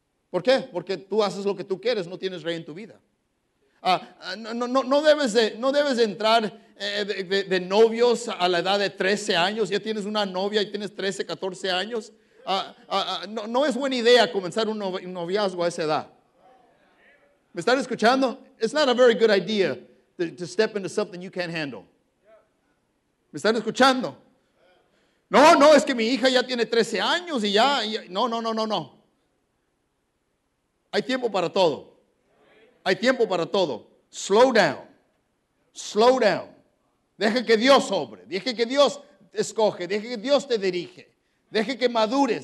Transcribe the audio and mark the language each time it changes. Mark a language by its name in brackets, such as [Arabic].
[Spanish] ¿Por qué? Porque tú haces lo que tú quieres, no tienes rey en tu vida. No debes de entrar de novios a la edad de 13 años, ya tienes una novia y tienes 13, 14 años. No es buena idea comenzar un noviazgo a esa edad. ¿Me están escuchando? [English] It's not a very good idea to step into something you can't handle. [Spanish] ¿Me están escuchando? No, es que mi hija ya tiene 13 años y ya, no. Hay tiempo para todo. Hay tiempo para todo. [English] Slow down. Slow down. [Spanish] Deje que Dios obre. Deje que Dios escoge. Deje que Dios te dirige. Deje que madures.